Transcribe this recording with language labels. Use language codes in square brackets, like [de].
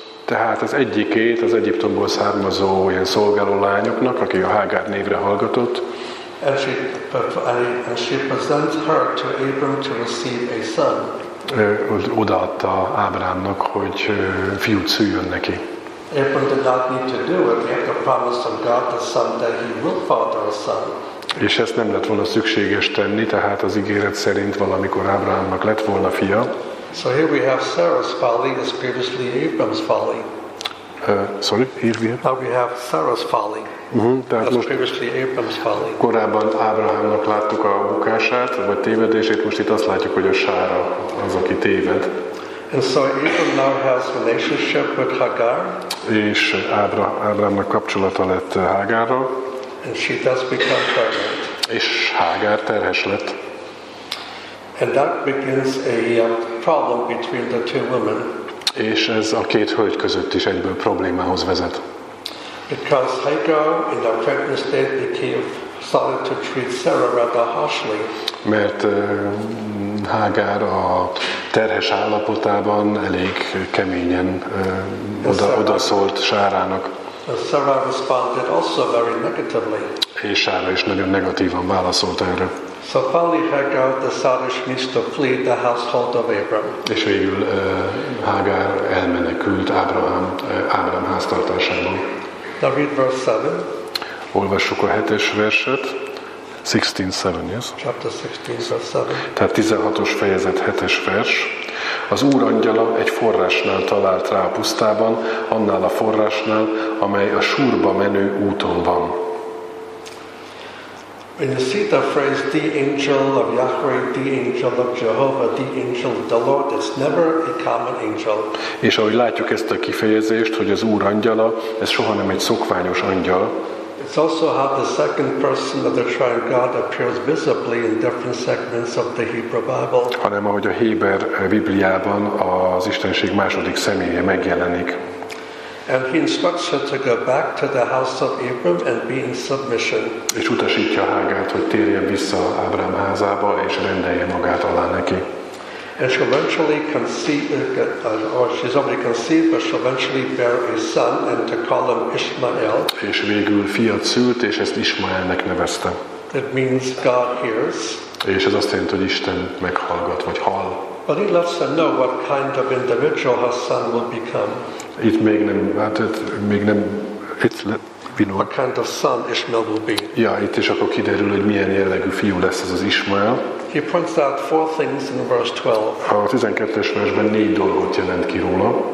[hu] Tehát az egyikét az Egyiptomból származó ilyen szolgáló lányoknak, aki a Hagar névre hallgatott. [en] And she presents her to Abram to receive a son. [hu] Odaadta Ábrámnak, hogy fiút szüljön neki. [en] Abram did not need to do it. He had the promise of God the son that he will father a son. [hu] És ezt nem lett volna szükséges tenni, tehát az ígéret szerint valamikor Ábrahámnak lett volna fia. [en] So here we have Sarah's folly as previously Abram's folly. Now we have Sarah's folly. [hu] Tehát most [en] previously Abram's folly. [hu] Korábban Ábrahámnak láttuk a bukását, vagy tévedését, most itt azt látjuk, hogy a Sára az, aki téved. [en] And so Abram now has relationship with Hagar. [hu] És Ábrahámnak kapcsolata lett Hagarral. [en] And she does become pregnant. [hu] És Hagar terhes lett. [en] And that begins a problem between the two women. [hu] És ez a két hölgy között is egyből problémához vezet. [en] Because Hagar in the pregnant state became started to treat Sarah rather harshly. [hu] Mert Hagar a terhes állapotában elég keményen odaszólt Sárának. [en] Sarah responded also very negatively. [hu] És Sára is nagyon negatívan válaszolt erre. [en] So finally Hagar decided she needs to flee the household of Abram. [hu] És végül Hagar elmenekült Ábrahám háztartásában. [en] Now read verse 7. [hu] Olvassuk a 7-es verset. 16:7, yes? [en] Chapter 16, verse 7. [hu] Tehát 16-os fejezet, 7-es vers. Az Úr angyala egy forrásnál talált rá a pusztában, annál a forrásnál, amely a Súrba menő úton van. [en] When you see the phrase the angel of Yahweh, the angel of Jehovah, the angel of the Lord, it's never a common angel. [hu] És ahogy látjuk ezt a kifejezést, hogy az Úr angyala, ez soha nem egy szokványos angyal. [en] It's also how the second person of the Triune God appears visibly in different segments of the Hebrew Bible. [hu] Hanem ahogy a Héber Bibliában az Istenség második személye megjelenik. [en] And he instructs her to go back to the house of Abram and be in submission. [hu] És utasítja Hágárt, hogy térjen vissza Ábrám házába és rendelje magát alá neki. [en] And she'll eventually conceive, or she's already conceived, but she'll eventually bear a son, and to call him Ishmael. [hu] És végül fiat szült, és ezt Ismaelnek nevezte. [en] It means God hears. [hu] És ez azt jelenti, hogy Isten meghallgat, vagy hall. [en] But he lets her know what kind of individual her son will become. [hu] Itt még nem, hát itt még nem, itt [en] what kind of son Ishmael will be. [hu] Ja, itt is akkor kiderül, hogy milyen jellegű fiú lesz ez az Ishmael. [en] He points out four things in verse 12. [hu] A 12-es versben négy dolgot jelent ki róla.